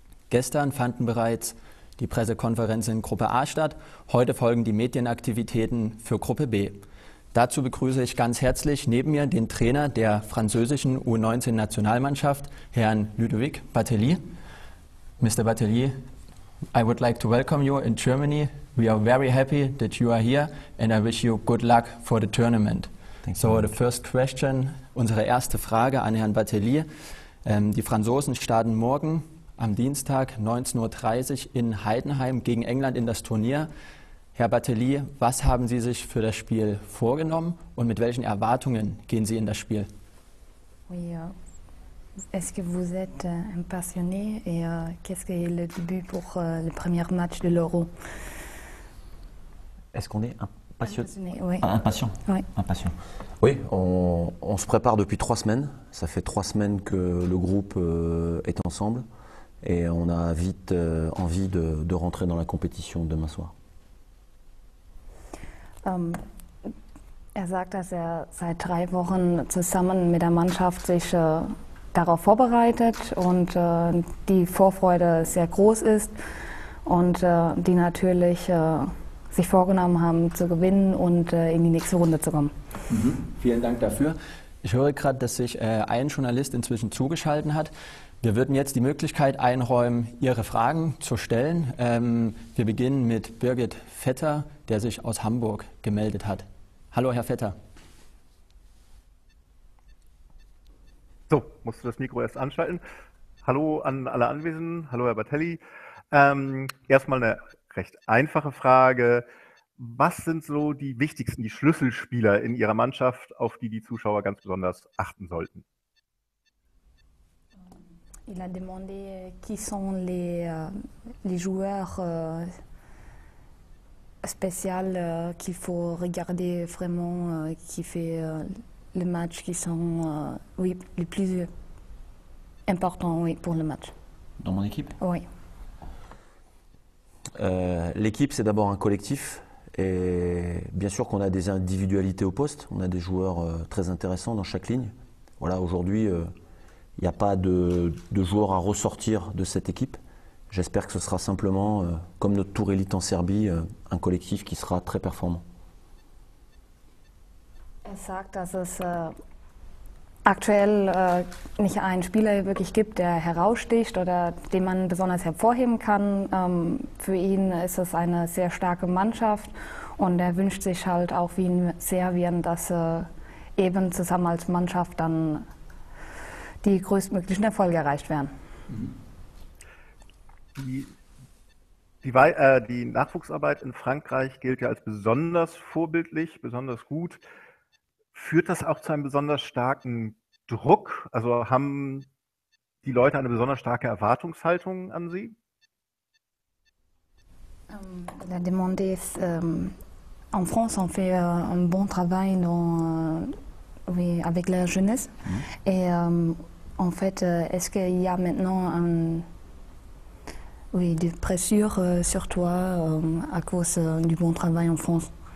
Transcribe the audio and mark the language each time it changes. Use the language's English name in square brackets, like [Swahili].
[German] Gestern fanden bereits die Pressekonferenz in Gruppe A statt. Heute folgen die Medienaktivitäten für Gruppe B. Dazu begrüße ich ganz herzlich neben mir den Trainer der französischen U19-Nationalmannschaft, Herrn Ludovic Batelli. [English] Mr. Batelli, I would like to welcome you in Germany. We are very happy that you are here and I wish you good luck for the tournament. Thank So, you. the first question, [German] unsere erste Frage an Herrn Batelli. Die Franzosen starten morgen am Dienstag 19:30 Uhr in Heidenheim gegen England in das Turnier. Herr Batelli, was haben Sie sich für das Spiel vorgenommen und mit welchen Erwartungen gehen Sie in das Spiel? [French] Oui, est-ce que vous êtes impressionné et qu'est-ce que le début pour le premier match de l'Euro? Est-ce qu'on est impatient? Impressionné, oui. Impatient. Oui, on se prépare depuis 3 semaines. Ça fait 3 semaines que le groupe est ensemble et on a vite envie de rentrer dans la compétition demain soir. [German] Er sagt, dass er seit 3 Wochen zusammen mit der Mannschaft sich darauf vorbereitet und die Vorfreude sehr groß ist und die natürlich sich vorgenommen haben, zu gewinnen und in die nächste Runde zu kommen. Vielen Dank dafür. Ich höre gerade, dass sich ein Journalist inzwischen zugeschaltet hat. Wir würden jetzt die Möglichkeit einräumen, Ihre Fragen zu stellen. Wir beginnen mit Birgit Vetter, der sich aus Hamburg gemeldet hat. Hallo, Herr Vetter. So, musst du das Mikro erst anschalten. Hallo an alle Anwesenden, hallo Herr Batelli. Erstmal eine recht einfache Frage. Was sind so die wichtigsten, die Schlüsselspieler in Ihrer Mannschaft, auf die die Zuschauer ganz besonders achten sollten? [French] Il a demandé qui sont les joueurs spéciaux qu'il faut regarder vraiment, qui fait le match, qui sont oui, les plus importants oui, pour le match. Dans mon équipe. Oui. L'équipe, c'est d'abord un collectif. Et bien sûr qu'on a des individualités au poste. On a des joueurs très intéressants dans chaque ligne. Voilà, aujourd'hui, il n'y a pas de joueurs à ressortir de cette équipe. J'espère que ce sera simplement, comme notre tour élite en Serbie, un collectif qui sera très performant. [German] Er sagt, dass es aktuell nicht einen Spieler wirklich gibt, der heraussticht oder den man besonders hervorheben kann. Für ihn ist es eine sehr starke Mannschaft und er wünscht sich halt auch wie in Serbien, dass eben zusammen als Mannschaft dann die größtmöglichen Erfolge erreicht werden. Die Nachwuchsarbeit in Frankreich gilt ja als besonders vorbildlich, besonders gut. Führt das auch zu einem besonders starken Druck? Also haben die Leute eine besonders starke Erwartungshaltung an Sie? [French] Il a demandé en France on fait un bon travail dans, oui, avec la jeunesse et en fait est-ce qu'il y a maintenant oui, des pressions sur toi à cause du bon travail en France?